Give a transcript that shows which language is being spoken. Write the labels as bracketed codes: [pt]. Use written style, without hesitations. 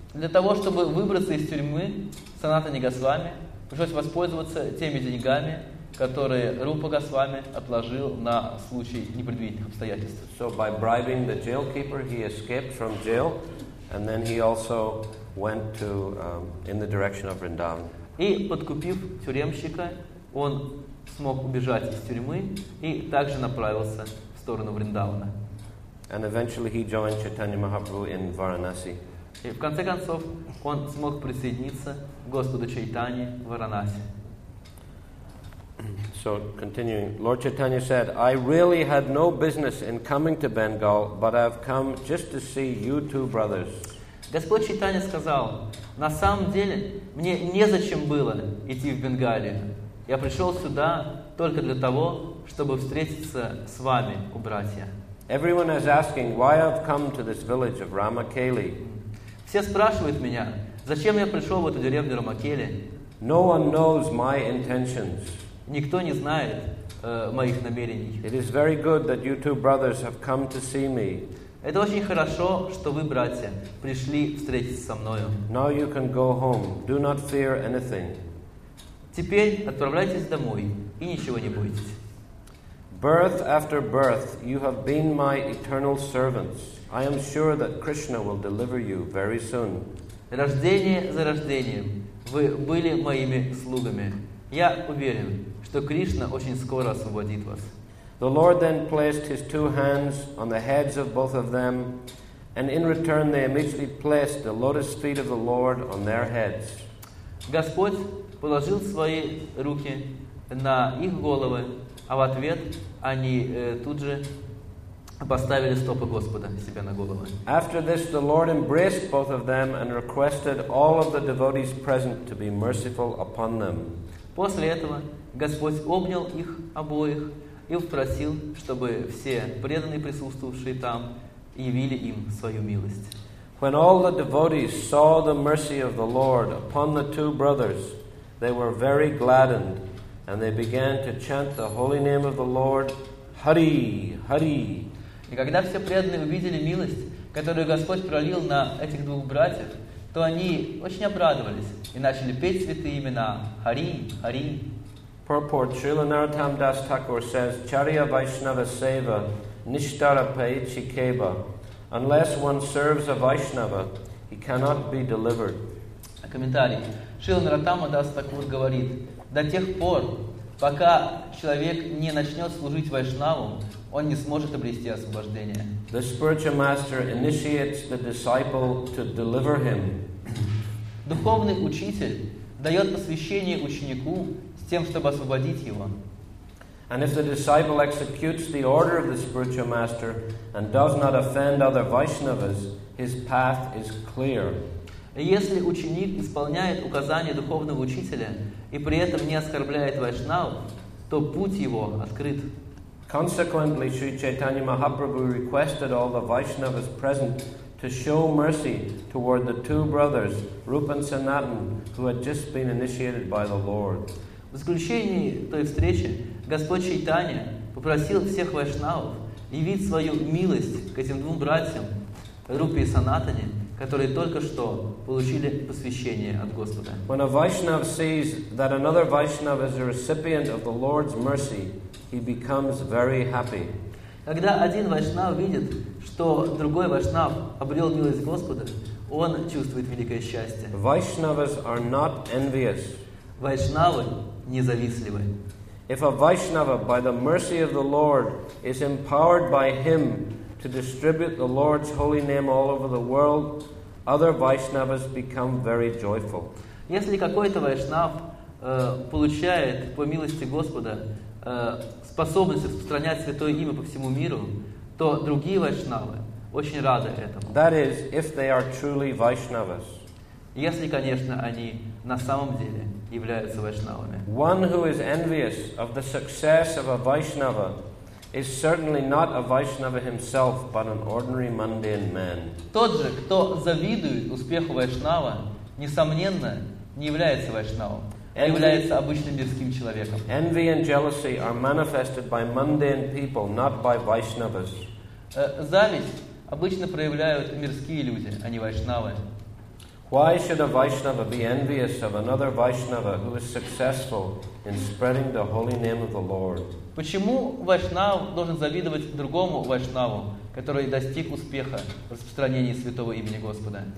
[ru] Для того, чтобы выбраться из тюрьмы, Санатане Госвами пришлось воспользоваться теми деньгами, которые Рупа Госвами отложил на случай непредвиденных обстоятельств. [en] So by bribing the jailkeeper, he escaped from jail, and then he also went to in the direction of Vrindavan. [ru] И подкупив тюремщика, он смог убежать из тюрьмы и также направился в сторону Вриндавана. [en] And eventually he joined Chaitanya Mahaprabhu in Varanasi. [ru] И в конце концов он смог присоединиться к Господу Чайтане в Варанаси. [en] So continuing, Lord Chaitanya said, I really had no business in coming to Bengal, but I've come just to see you two brothers. [ru] Господь Чайтанья сказал, на самом деле мне незачем было идти в Бенгалию. Я пришел сюда только для того, чтобы встретиться с вами, у братья. [en] Everyone is asking, why I've come to this village of Ramakeli. [ru] Все спрашивают меня, зачем я пришел в эту деревню Рамакели. [en] No one knows my intentions. [ru] Никто не знает моих намерений. [en] It is very good that you two brothers have come to see me. [ru] Это очень хорошо, что вы, братья, пришли встретиться со мною. [en] Now you can go home. Do not fear anything. [ru] Теперь отправляйтесь домой и ничего не бойтесь. [en] Birth after birth, you have been my eternal servants. I am sure that Krishna will deliver you very soon. [ru] Рождение за рождением вы были моими слугами. Я уверен, что Кришна очень скоро освободит вас. [en] The Lord then placed his two hands on the heads of both of them And in return, they immediately placed the lotus feet of the Lord on their heads. [ru] Господь положил свои руки на их головы, а в ответ они тут же поставили стопы Господа себе на головы. [en] After this, the Lord embraced both of them and requested all of the devotees present to be merciful upon them. [ru] После этого Господь обнял их обоих и попросил, чтобы все преданные, присутствовавшие там, явили им свою милость. [en] When all the devotees saw the mercy of the Lord upon the two brothers, they were very gladdened, and they began to chant the holy name of the Lord, Hari, Hari. [ru] И когда все преданные увидели милость, которую Господь пролил на этих двух братьев, то они очень обрадовались и начали петь святые имена Hari, Hari. [en] Purport Srila Narottam Das Thakur says, [bn] Charya Vaishnava Seva Nishtara Paichi Keba. [en] Unless one serves a Vaishnava, he cannot be delivered. [ru] Комментарий. Шрила Нараттама Дас Такур говорит, до тех пор, пока человек не начнет служить Вайшнаву, он не сможет обрести освобождение. [en] The spiritual master initiates the disciple to deliver him. [ru] Духовный учитель дает посвящение ученику с тем, чтобы освободить его. [en] And if the disciple executes the order of the spiritual master and does not offend other Vaishnavas, his path is clear. [ru] Если ученик исполняет указания духовного учителя и при этом не оскорбляет Вайшнав, то путь его открыт. [en] Consequently, Sri Chaitanya Mahaprabhu requested all the Vaishnavas present to show mercy toward the two brothers, Rupa and Sanatan, who had just been initiated by the Lord. [ru] В заключении той встречи Господь Чайтанья попросил всех вайшнавов явить свою милость к этим двум братьям, Рупе и Санатане, которые только что получили посвящение от Господа. [en] When a Vaishnav sees that another Vaishnav is a recipient of the Lord's mercy, he becomes very happy. [ru] Когда один вайшнав видит, что другой вайшнав обрел милость Господа, он чувствует великое счастье. [en] Vaishnavas are not envious. [ru] Вайшнавы независтливы. [en] If a Vaishnava, by the mercy of the Lord, is empowered by him to distribute the Lord's holy name all over the world, other Vaishnavas become very joyful. [ru] Если какой-то вайшнав получает по милости Господа способность распространять святое имя по всему миру, то другие вайшнавы очень рады этому. [en] That is, if they are truly Vaishnavas. [ru] Если, конечно, они на самом деле являются вайшнавами. [en] One who is envious of the success of a Vaishnava is certainly not a Vaishnava himself, but an ordinary mundane man. [ru] Тот же, кто завидует успеху вайшнава, несомненно, не является вайшнавом, а является обычным мирским человеком. [en] Envy and jealousy are manifested by mundane people, not by Vaishnavas. [ru] Зависть обычно проявляют мирские люди, а не вайшнавы. [en] Why should a Vaishnava be envious of another Vaishnava who is successful in spreading the holy name of the Lord? [ru] Почему вайшнав должен завидовать другому вайшнаву, который достиг успеха в распространении святого имени Господа?